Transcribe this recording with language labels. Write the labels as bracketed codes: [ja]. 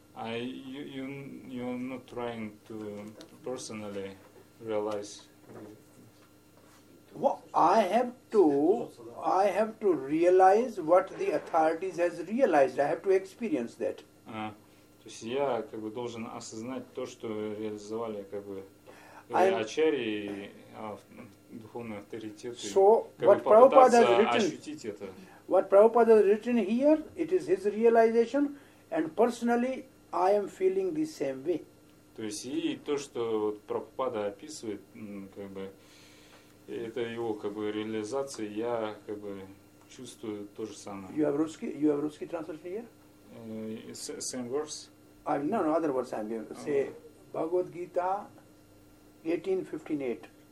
[en] You're not trying to personally realize. Well, I have to realize what the authorities has realized. I have to experience that. [ru] То есть я как бы должен осознать то, что реализовали как бы ачарьи и духовные авторитеты. [en] So what Prabhupada has written? [ru] Ощутить это. [en] What Prabhupada has written here, it is his realization, and personally, I am feeling the same way. [ru] То есть и то, что вот Прабхупада описывает, как бы это его как бы реализация, я как бы чувствую то же самое. [en] You have русский translation here? Same verse? Other verse. I'm going to say Bhagavad Gita 18:58.